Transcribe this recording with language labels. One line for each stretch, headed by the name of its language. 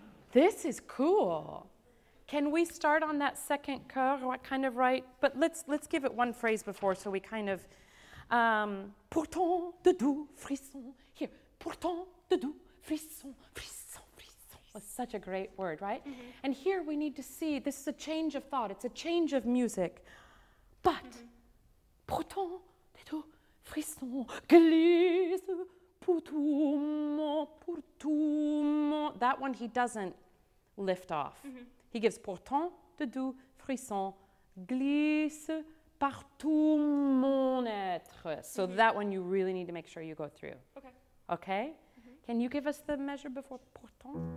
English: This is cool. Can we start on that second cœur? What kind of right? But let's give it one phrase before, so we kind of.
French: Pourtant de doux frissons.
English: Here,
French: pourtant de doux frissons, frissons, frissons.
English: That's such a great word, right? Mm-hmm. And here we need to see this is a change of thought. It's a change of music. But
French: pourtant de doux frissons glisse pour tout mon, pour tout mon.
English: That one he doesn't lift off. Mm-hmm. He gives
French: pourtant de doux frissons glisse par tout mon être.
English: So that one you really need to make sure you go through. Okay. Okay? Mm-hmm. Can you give us the measure before pourtant?